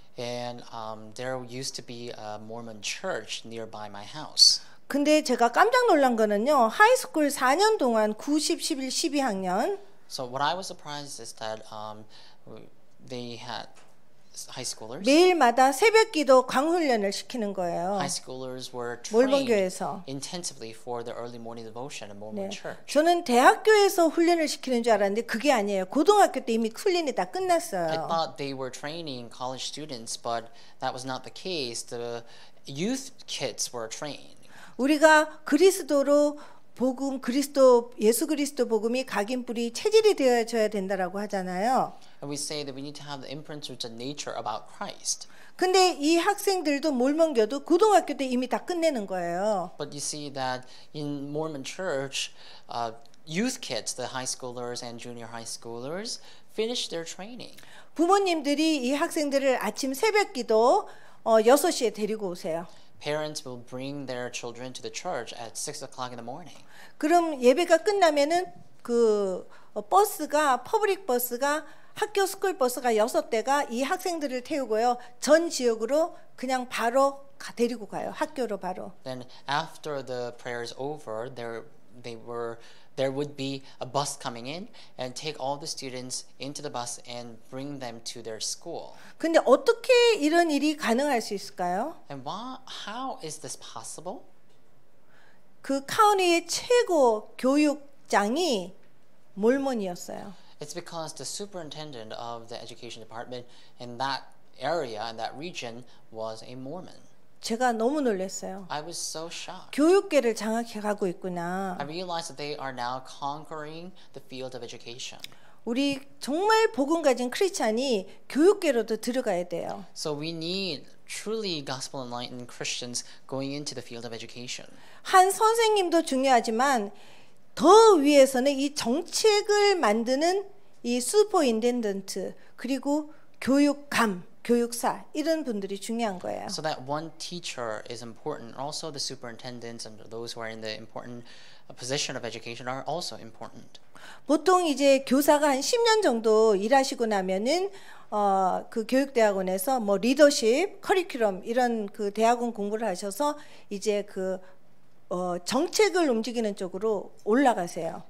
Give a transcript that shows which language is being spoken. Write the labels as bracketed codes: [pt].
[en] And there used to be a Mormon church nearby my house. [ko] 근데 제가 깜짝 놀란 거는요. 하이스쿨 4년 동안 90, 11, 12학년 [en] So what I was surprised is that they had high schoolers. [ko] 매일마다 새벽 기도 강훈련을 시키는 거예요. [en] High schoolers were trained [ko] 몰몬교에서. [en] intensively for the early morning devotion in Mormon [ko] 네. [en] church. [ko] 저는 대학교에서 훈련을 시키는 줄 알았는데 그게 아니에요. 고등학교 때 이미 훈련이 다 끝났어요. [en] I thought they were training college students, but that was not the case. The youth kids were trained. [ko] 우리가 그리스도로 복음 그리스도 예수 그리스도 복음이 각인 뿌리 체질이 되어져야 된다라고 하잖아요. [en] And we say that we need to have the imprint of the nature about Christ. [ko] 근데 이 학생들도 몰몬교도 고등학교 때 이미 다 끝내는 거예요. [en] But you see that in Mormon church, youth kids, the high schoolers and junior high schoolers, finish their training. [ko] 부모님들이 이 학생들을 아침 새벽기도 6시에 데리고 오세요. [en] Parents will bring their children to the church at 6 o'clock in the morning. [ko] 그럼 예배가 끝나면은 그 버스가 퍼블릭 버스가 학교 스쿨 버스가 6대가 이 학생들을 태우고요. 전 지역으로 그냥 바로 데리고 가요. 학교로 바로. [en] Then after the prayer is over, there would be a bus coming in and take all the students into the bus and bring them to their school. [ko] 근데 어떻게 이런 일이 가능할 수 있을까요? [en] And why, how is this possible? [ko] 그 카운티의 최고 교육장이 몰몬이었어요. [en] It's because the superintendent of the education department in that area in that region was a Mormon. [ko] 제가 너무 놀랐어요. [en] I was so shocked. [ko] 교육계를 장악해 가고 있구나. [en] I realized that they are now conquering the field of education. [ko] 우리 정말 복음 가진 크리스찬이 교육계로도 들어가야 돼요. [en] So we need truly gospel enlightened Christians going into the field of education. [ko] 한 선생님도 중요하지만 더 위에서는 이 정책을 만드는 이 슈퍼인텐던트 그리고 교육감, 교육사 이런 분들이 중요한 거예요. [en] So that one teacher is important. Also the superintendents and those who are in the important position of education are also important. [ko] 보통 이제 교사가 한 10년 정도 일하시고 나면은 그 교육대학원에서 뭐 리더십, 커리큘럼 이런 그 대학원 공부를 하셔서 이제 그 정책을 움직이는 쪽으로 올라가세요.